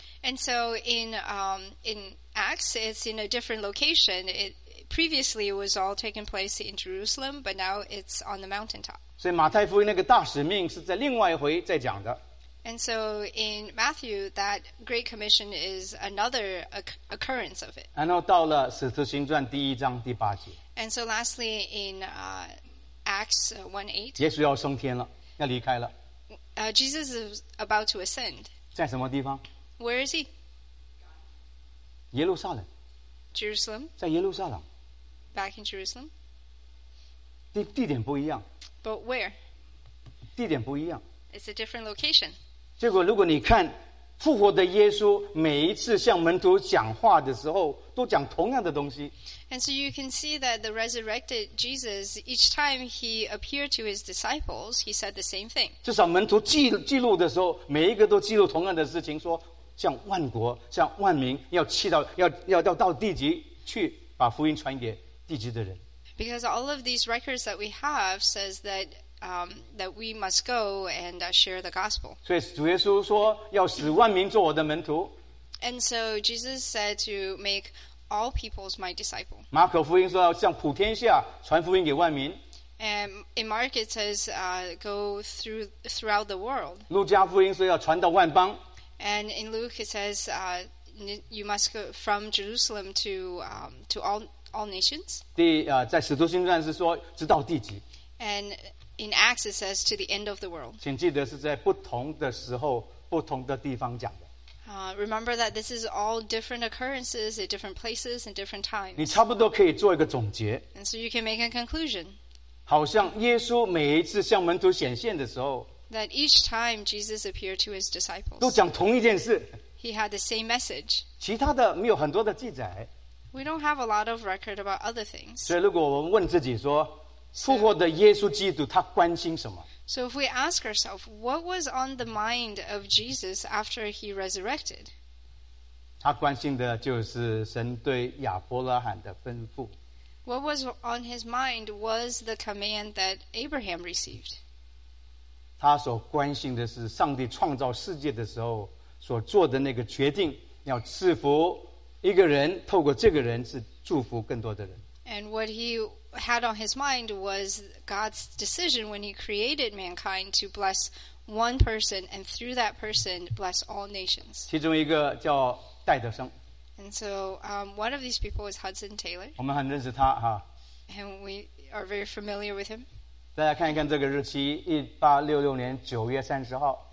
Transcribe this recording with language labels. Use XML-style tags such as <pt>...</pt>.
<en>And so in Acts, it's in a different location. It previously was all taken place in Jerusalem, but now it's on the mountaintop.</en> <zh>所以马太福音那个大使命是在另外一回再讲的。</zh> <en>And so in Matthew, that great commission is another occurrence of it.</en> <zh>然后到了《使徒行传》第一章第八节。</zh> <en>And so lastly, in Acts 1:8,</en> <zh>耶稣要升天了，要离开了。</zh> <en>Jesus is about to ascend.</en> <zh>在什么地方</zh> <en>？Where is he?</en> <zh>耶路撒冷。</zh> <en>Jerusalem.</en> <zh>在耶路撒冷。</zh> <en>Back in Jerusalem.</en> <zh>地点不一样。</zh> <en>But where?</en> <zh>地点不一样。</zh> <en>It's a different location.</en> <zh>结果如果你看复活的耶稣每一次向门徒讲话的时候都讲同样的东西。</zh> <en>And so you can see that the resurrected Jesus, each time he appeared to his disciples, he said the same thing.</en> <zh>至少门徒记录的时候每一个都记录同样的事情，说向万国向万民要去到要到地极去把福音传给地极的人。</zh> <en>Because all of these records that we have says that that we must go and share the gospel.</en> <zh>所以主耶稣说要使万民做我的门徒。</zh> <en>And so Jesus said to make all peoples my disciple.</en> <zh>马可福音说要向普天下传福音给万民。</zh> <en>And in Mark it says go throughout the world.</en> <zh>路加福音说要传到万邦。</zh> <en>And in Luke it says you must go from Jerusalem to all nations.</en> <zh>在使徒行传是说直到地极。</zh> <en>And in Acts it says to the end of the world.</en> <zh>请记得是在不同的时候不同的地方讲的。</zh> <en>Remember that this is all different occurrences at different places and different times.</en> <zh>你差不多可以做一个总结。</zh> <en>And so you can make a conclusion.</en> <zh>好像耶稣每一次向门徒显现的时候</zh> <en>that each time Jesus appeared to his disciples.</en> <zh>都讲同一件事。</zh> <en>He had the same message.</en> <zh>其他的没有很多的记载。</zh> <en>We don't have a lot of record about other things.</en> <zh>所以如果我们问自己说, 复活的耶稣基督他关心什么?</zh> <en>So if we ask ourselves, what was on the mind of Jesus after he resurrected?</en> <zh>他关心的就是神对亚伯拉罕的吩咐。</zh> <en>What was on his mind was the command that Abraham received.</en> <zh>他所关心的是上帝创造世界的时候所做的那个决定，要赐福一个人，透过这个人是祝福更多的人。</zh> <en>And what he had on his mind was God's decision when he created mankind to bless one person and through that person bless all nations.</en> <zh>其中一个叫戴德生。</zh> <en>And so one of these people is Hudson Taylor.</en> <zh>我们很认识他,</zh> <en>and we are very familiar with him.</en> <zh>大家看一看这个日期, 1866年9月30号。</zh>